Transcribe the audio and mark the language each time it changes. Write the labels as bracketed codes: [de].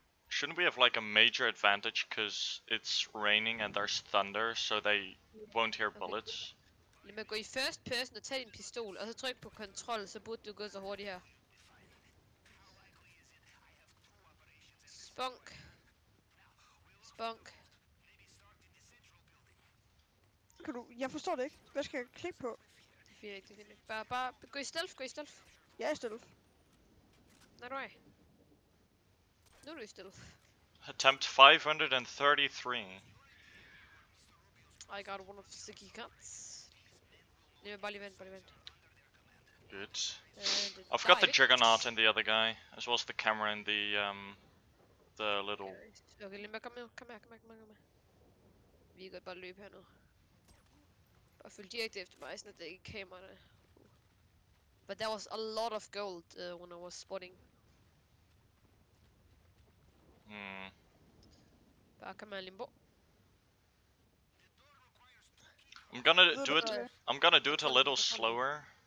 [en] shouldn't we have like a major advantage because it's raining and there's thunder, so they won't hear bullets? [da] Lad mig gå i first person og tage din pistol, og så tryk på control, så burde du gå så hurtigt her. Spunk. Bunk. Kan du... Jeg forstår det ikke. Hvad skal jeg klikke på? Det er ikke, det er bare... Gå i stealth, gå i stealth. Jeg er stealth. Nej, du er. Nu er du i stealth. [en] Attempt 533. I got one of the key cuts. [da] Lige, bare lige vent, [en] bare lige vent. Good. I've got the juggernaut in the other guy. As well as the camera in the little... [da] Okay, Limba, kom her, kom her, kom her, kom her, kom her. Vi kan godt bare løbe her nu. Bare følg direkte efter mig, sådan at det ikke er kamerane. [en] But there was a lot of gold, when I was spotting. Hmm. Where can my limbo? I'm gonna do it a little slower.